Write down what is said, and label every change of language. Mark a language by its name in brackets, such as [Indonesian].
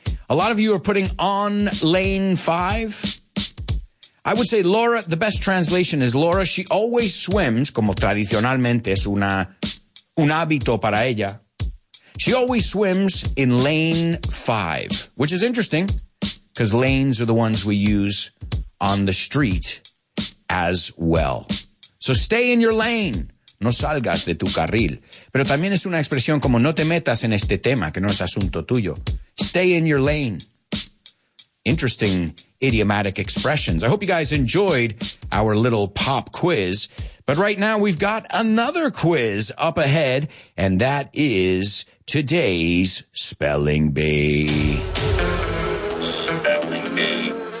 [English] A lot of you are putting on lane 5. I would say Laura, the best translation is Laura, she always swims, [Spanish] como tradicionalmente es un hábito para ella. [English] She always swims in lane 5, which is interesting because lanes are the ones we use on the street as well. So stay in your lane. [Spanish] No salgas de tu carril. Pero también es una expresión como no te metas en este tema, que no es asunto tuyo. [English] Stay in your lane. Interesting idiomatic expressions. I hope you guys enjoyed our little pop quiz. But right now we've got another quiz up ahead, and that is today's Spelling Bee. Spelling Bee.